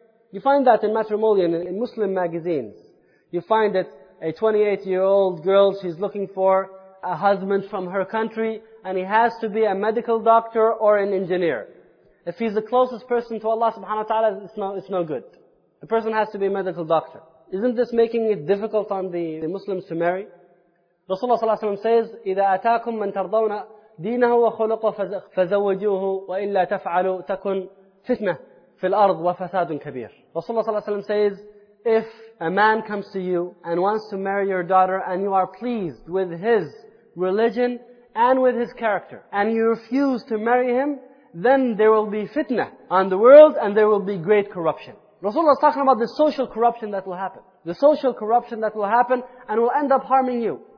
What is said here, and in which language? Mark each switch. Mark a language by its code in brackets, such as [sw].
[en] You find that in matrimonial, in Muslim magazines. You find that a 28-year-old girl, she's looking for a husband from her country, and he has to be a medical doctor or an engineer. If he's the closest person to Allah subhanahu wa ta'ala, it's no good. The person has to be a medical doctor. Isn't this making it difficult on the Muslims to marry? Rasulullah sallallahu alaihi wasallam says, [ar] إِذَا أَتَاكُم مَن تَرْضَوْنَ دِينَهُ وَخُلُقُهُ فَزَوَّجُوهُ وَإِلَّا تَفْعَلُوا تَكُنْ فِتْنَةً فِي الْأَرْضِ وَفَسَادٌ كَبِيرٌ. [en] Rasulullah sallallahu alaihi wasallam says, if a man comes to you and wants to marry your daughter and you are pleased with his religion and with his character and you refuse to marry him, then there will be fitna on the world and there will be great corruption. Rasulullah is talking about the social corruption that will happen. The social corruption that will happen and will end up harming you.